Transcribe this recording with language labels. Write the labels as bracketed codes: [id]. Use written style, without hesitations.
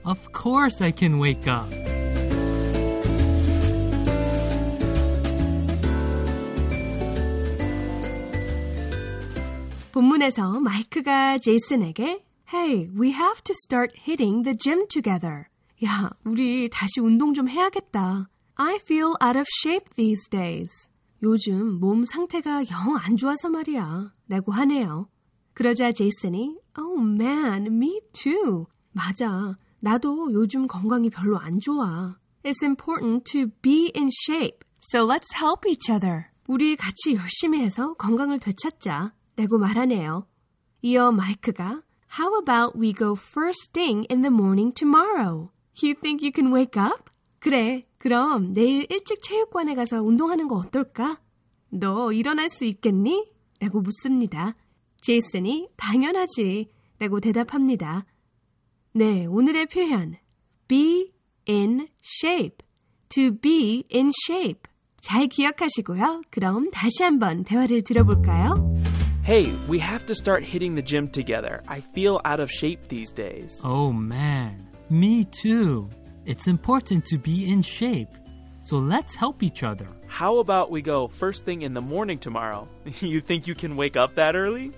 [en] Of course I can wake up. Hey, we have to start hitting the gym together. [ko] 야, 우리 다시 운동 좀 해야겠다. [en] I feel out of shape these days. [ko] 요즘 몸 상태가 영 안 좋아서 말이야. 라고 하네요. 그러자 제이슨이, [en] Oh man, me too. [ko] 맞아, 나도 요즘 건강이 별로 안 좋아. [en] It's important to be in shape. So let's help each other. [ko] 우리 같이 열심히 해서 건강을 되찾자. 라고 말하네요. 이어 마이크가 [en] How about we go first thing in the morning tomorrow? You think you can wake up? [ko] 그래, 그럼 내일 일찍 체육관에 가서 운동하는 거 어떨까? 너 일어날 수 있겠니? 라고 묻습니다. 제이슨이 당연하지 라고 대답합니다. 네, 오늘의 표현 Be in shape. [en] To be in shape. 잘 기억하시고요. [ko] 그럼 다시 한번 대화를 들어볼까요? [en] Hey, we have to start hitting the gym together. I feel out of shape these days. Oh man, me too. It's important to be in shape. So let's help each other. How about we go first thing in the morning tomorrow? You think you can wake up that early?